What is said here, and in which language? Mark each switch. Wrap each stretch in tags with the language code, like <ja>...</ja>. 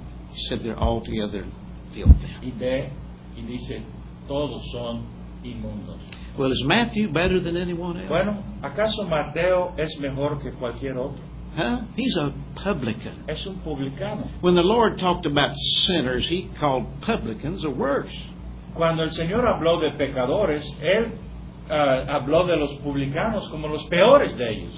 <en>He said they're all together filthy.</en> <es>Y dice, todos son inmundos.</es> <en>Well, is Matthew better than anyone else?</en> <es>Bueno, ¿acaso Mateo es mejor que cualquier otro?</es> <en>Huh? He's a publican.</en> <es>Es un publicano.</es> <en>When the Lord talked about sinners, he called publicans or worse.</en> <es>Cuando el Señor habló de pecadores, él habló de los publicanos como los peores de ellos.</es>